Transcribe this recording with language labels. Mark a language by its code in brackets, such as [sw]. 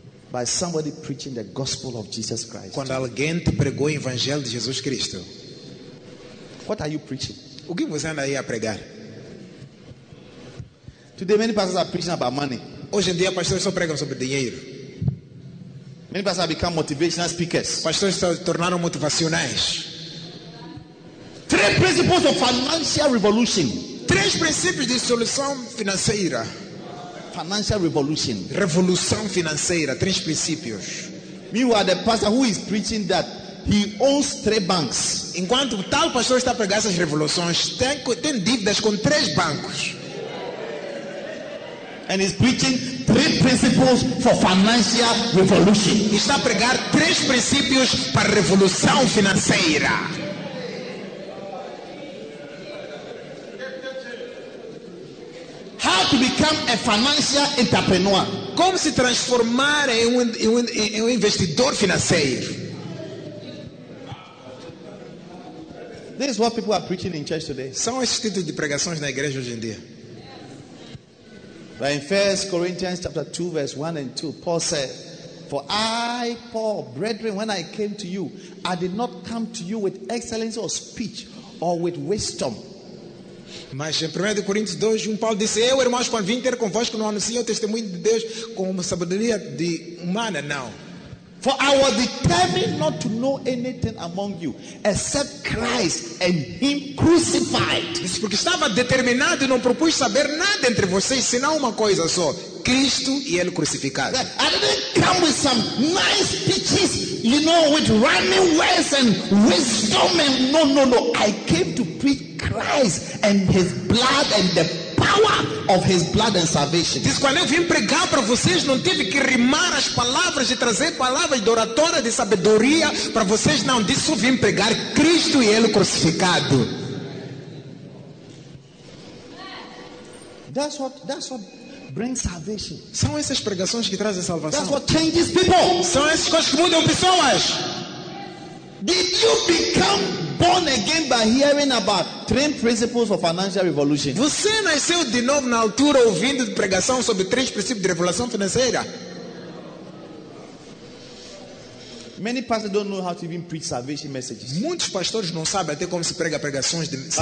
[en] By somebody preaching the gospel of Jesus Christ. [pt] Quando alguém te pregou o evangelho de Jesus Cristo. [en] What are you preaching? [pt] O que você anda aí a pregar? [en] Today many pastors are preaching about money. [pt] Hoje em dia pastores só pregam sobre dinheiro. [en] Many pastors have become motivational speakers. [pt] Pastores se tornaram motivacionais. [en] Three principles of financial revolution. [pt] Três princípios de solução financeira. [en] Financial revolution. [pt] Revolução financeira. Três princípios. [en] Meanwhile, the pastor who is preaching that he owns three banks. [pt] Enquanto tal pastor está pregando essas revoluções, tem dívidas com três bancos. [en] And he's preaching three principles for financial revolution. [pt] E está a pregar três princípios para a revolução financeira. [en] How to become a financial entrepreneur? [pt] Como se transformar em um investidor financeiro? [en] This is what people are preaching in church today. [pt] São esses títulos de pregações na igreja hoje em dia. [en] But in 1 Corinthians chapter 2, verse 1 and 2, Paul said, "For I, Paul, brethren, when I came to you, I did not come to you with excellence of speech or with wisdom." [pt] Mas em 1 Coríntios 2, 1, Paulo disse: "Eu, irmãos, quando vim ter convosco, não anuncio o testemunho de Deus com uma sabedoria de humana, não. [en] For I was determined not to know anything among you except Christ and Him crucified." [pt] Disse, porque estava determinado e não propus saber nada entre vocês, senão uma coisa só: Cristo e Ele crucificado. [en] I didn't come with some nice speeches, you know, with running words and wisdom. And no. I came to preach Christ and His blood and the power of His blood and salvation. [pt] Diz, quando eu vim pregar para vocês, não tive que rimar as palavras e trazer palavras de oratória, de sabedoria para vocês, não. Diz, eu vim pregar Cristo e Ele crucificado. [en] That's what bring salvation. [pt] São essas pregações que trazem salvação. [en] That's what changes people. [pt] São essas coisas que mudam pessoas. [en] Did you become born again by hearing about three principles for financial revolution? [pt] Você nasceu de novo na altura ouvindo pregação sobre três princípios de revolução financeira? [en] Many pastors don't know how to even preach salvation messages. [pt] Muitos pastores não sabem até como se prega pregações de salvação.